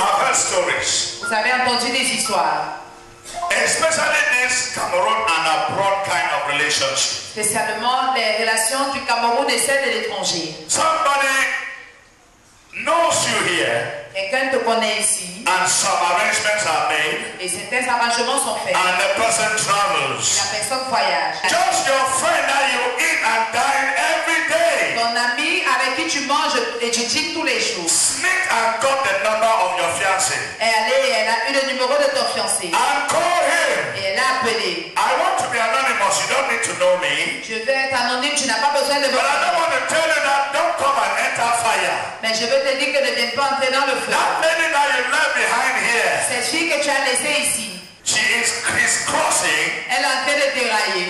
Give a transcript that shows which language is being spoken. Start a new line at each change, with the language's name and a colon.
French: Vous avez entendu des histoires.
English: Especially this Cameroon and abroad kind of relationship.
French: Spécialement les relations du Cameroun et celles de l'étranger.
English: Somebody knows you here.
French: Quelqu'un te connaît ici.
English: And some arrangements are made.
French: Et certains arrangements sont faits.
English: And the person travels.
French: La personne voyage.
English: Just your friend that you eat and dine every day.
French: Ton ami avec qui tu manges et tu dis tous les jours.
English: Sneak and got the number of your fiancé.
French: Et elle a eu le numéro de ton fiancé.
English: And call him.
French: Et elle a appelé.
English: I want to be anonymous. You don't need to know me.
French: Je veux être anonyme. Tu n'as pas besoin de me connaître.
English: But I don't want to tell you that. Don't come and enter fire.
French: Mais je veux te dire que ne viens pas entrer dans le feu.
English: That lady that you left behind here.
French: Cette fille que tu as laissée ici.
English: She is crisscrossing.
French: Elle est en train de dérailler.